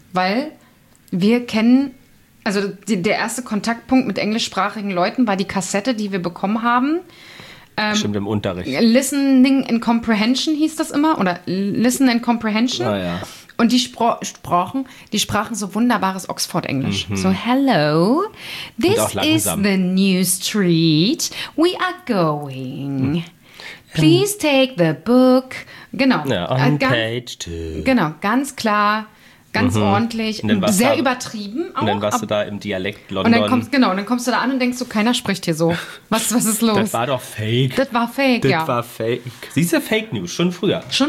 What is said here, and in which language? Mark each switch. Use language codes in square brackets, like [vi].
[de] Weil wir kennen, also der erste Kontaktpunkt mit englischsprachigen Leuten war die Kassette, die wir bekommen haben. Stimmt, im Unterricht. Listening and Comprehension hieß das immer. Oder Listen and Comprehension. Naja. Und die sprachen so wunderbares Oxford-Englisch. Mhm. [en] So, hello, this is the new street we are going. Please take the book. [de] Genau. [en] Ja, on page 2. [de] Genau, ganz klar, ganz ordentlich, sehr übertrieben auch. Und dann warst du da im Dialekt London. Und dann kommst du da an und denkst so, keiner spricht hier so. Was ist los? Das war fake. Siehst du, Fake News, schon früher.